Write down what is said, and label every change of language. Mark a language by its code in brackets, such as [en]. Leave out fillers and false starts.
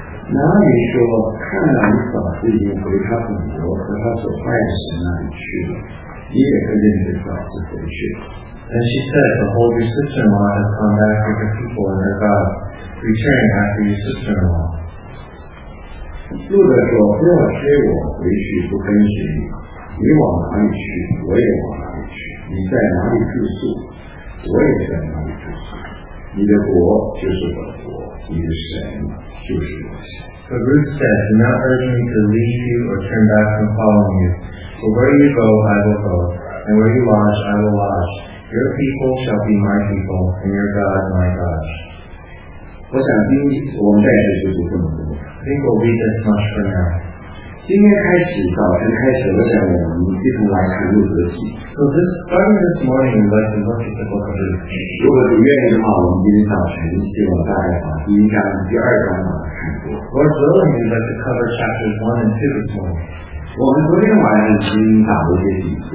[zh] 哪里说看到你嫂子已经回他本国和他所爱的神那里去了，你也跟着你的嫂子回去。 [en] And she said, Behold, your sister-in-law has gone back with her people and her God, returning after your sister-in-law. [zh] 路德说，不要追我，回去不跟随你。你往哪里去，我也往哪里去。你在哪里住宿，我也在哪里住宿。你的国就是我的国，你的神就是我的神。 [en] But Ruth said, Do not urge me to leave you or turn back from following you. For where you go, I will go, and where you lodge, I will lodge. Your people shall be my people, and your God my God. [zh] 我想今天我们暂时就不这么多。 [en] Think we'll read this much for now. [zh] 今天开始，早晨开始，我想我们一同来看路德记。 [en] So this starting this morning, we'd like to look at the book of Luke. [zh] 如果主愿意的话，我们今天早晨希望大概把第一章、第二章来看过。 [en] Lord willing, we'd like to cover chapters 1 and 2 this morning. [zh] 我们昨天晚上已经打了一些底子。